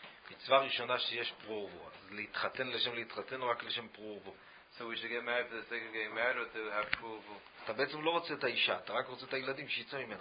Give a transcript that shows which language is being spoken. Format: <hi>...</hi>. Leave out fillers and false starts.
<he>מצווה ראשונה שיש פרורבו. להתחתן לשם להתחתן או רק לשם פרורבו.</he> <en>So we should get married for the sake of getting married or to have פרורבו.</en> <he>אתה בעצם לא רוצה את האישה. אתה רק רוצה את הילדים שיצא ממנו.</he>